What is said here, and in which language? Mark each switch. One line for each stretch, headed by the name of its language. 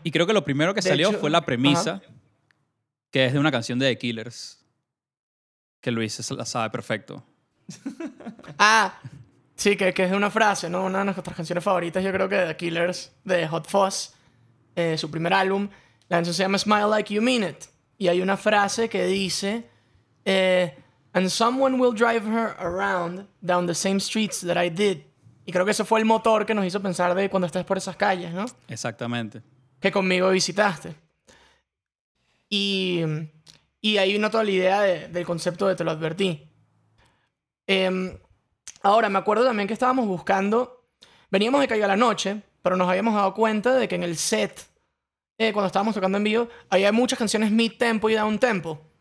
Spanish: Y creo que lo primero que salió fue la premisa, que es de una canción de The Killers. Que Luis la sabe perfecto. Ah, sí, que es de una frase, ¿no? Una de nuestras canciones favoritas, yo creo que de The Killers, de Hot Fuzz, su primer álbum. La canción se llama Smile Like You Mean It. Y hay una frase que dice...
English: And someone will drive her around down the same streets that I did.
Spanish: Y creo que eso fue el motor que nos hizo pensar de cuando estés por esas calles, ¿no? Exactamente. Que conmigo visitaste. Y ahí vino toda la idea del concepto de Te lo advertí. Ahora, me acuerdo también que estábamos buscando... Veníamos de Caiga la Noche, pero nos habíamos dado cuenta de que en el set, cuando estábamos tocando en vivo, había muchas canciones mid-tempo y down-tempo.